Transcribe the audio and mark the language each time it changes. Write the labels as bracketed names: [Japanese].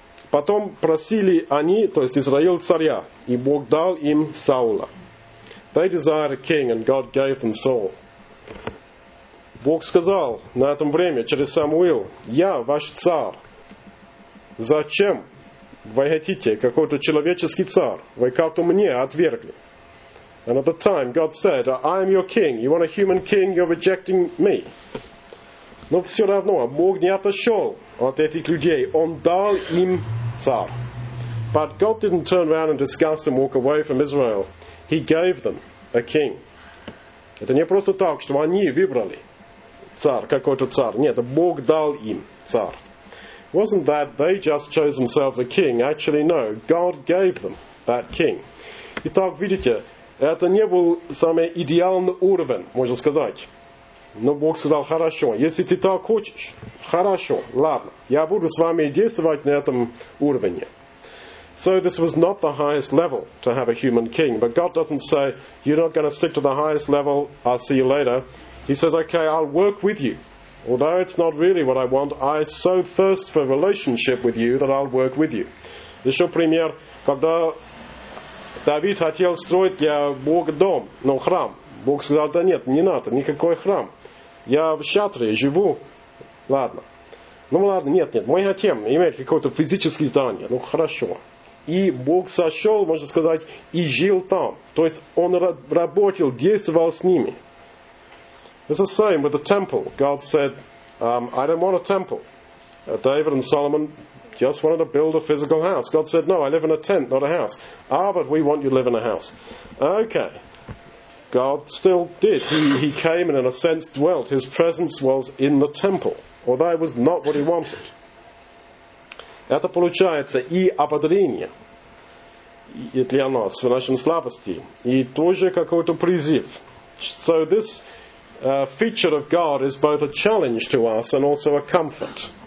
[Russian] Потом просили они, то есть Израиль, царя, и Бог дал им Саула. [English] They desired a king, and God gave them Saul. [Russian] Бог сказал на этом время через Самуил, «Я ваш царь. Зачем вы хотите какой-то человеческий царь? Вы как-то мне отвергли». [English] And at the time, God said, «I am your king. You want a human king? You're rejecting me». [Russian] Но все равно, Бог не отошел от этих людей. Он дал им царь. [English] But God didn't turn around in disgust and walk away from Israel. He gave them a king. [Russian] Это не просто так, что они выбрали царь, какой-то царь. Нет, Бог дал им царь. [English] It wasn't that they just chose themselves a king. Actually, no, God gave them that king. [Russian] Итак, видите, это не был самый идеальный уровень, можно сказать. Но Бог сказал, хорошо, если ты так хочешь, хорошо, ладно, я буду с вами действовать на этом уровне. [English] So this was not the highest level to have a human king. But God doesn't say, you're not going to stick to the highest level, I'll see you later. He says, okay, I'll work with you. Although it's not really what I want, I so thirst for relationship with you that I'll work with you. [Russian] Еще пример, когда Давид хотел строить для Бога дом, но храм. Бог сказал, да нет, не надо, никакой храм. Я в шатре живу. Ладно. Ну ладно, нет, нет, мы хотим иметь какое-то физическое здание. Ну хорошо. И Бог сошел, можно сказать, и жил там. То есть он работал, действовал с ними. [English] It's the same with the temple. God said, I don't want a temple. David and Solomon just wanted to build a physical house. God said, no, I live in a tent, not a house. Ah, but we want you to live in a house. Okay. God still did. He came and in a sense dwelt. His presence was in the temple. Although it was not what he wanted. [Russian] Это получается и ободрение для нас в нашем слабости, и тоже какой-то призыв. [English] So this feature of God is both a challenge to us and also a comfort.